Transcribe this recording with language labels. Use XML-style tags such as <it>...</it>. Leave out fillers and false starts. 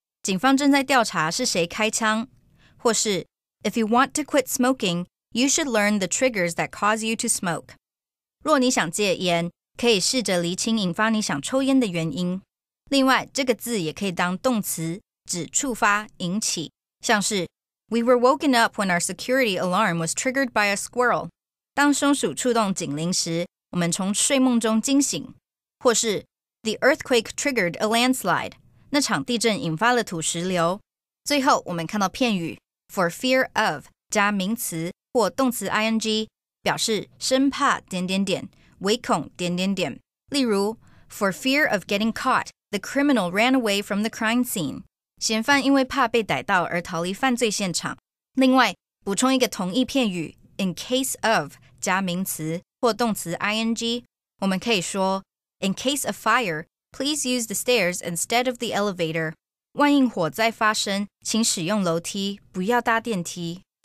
<zh>警方正在调查是谁开枪。</zh> <en>或是 ，If you want to quit smoking, you should learn the triggers that cause you to smoke.</en> <zh>若你想戒烟，可以试着厘清引发你想抽烟的原因。另外，这个字也可以当动词，指触发、引起，像是。</zh> <en>We were woken up when our security alarm was triggered by a squirrel.</en> <zh>当松鼠触动警铃时，我们从睡梦中惊醒。</zh> <en>或是 The earthquake triggered a landslide.</en> <zh>那场地震引发了土石流。最后，我们看到片语 for fear of 加名词或动词 ing， 表示生怕点点点，唯恐点点点。</zh> <en>例如 ，For fear of getting caught, the criminal ran away from the crime scene.</en> <zh>嫌犯因为怕被逮到而逃离犯罪现场。另外，补充一个同义片语</zh> <en>，in case of</en> <zh>加名词或动词</zh> <en>ing，</en> <zh>我们可以说</zh> <en>，in case of fire， please use the stairs instead of the elevator。</en> <zh>万一火灾发生，请使用楼梯，不要搭电梯。</zh>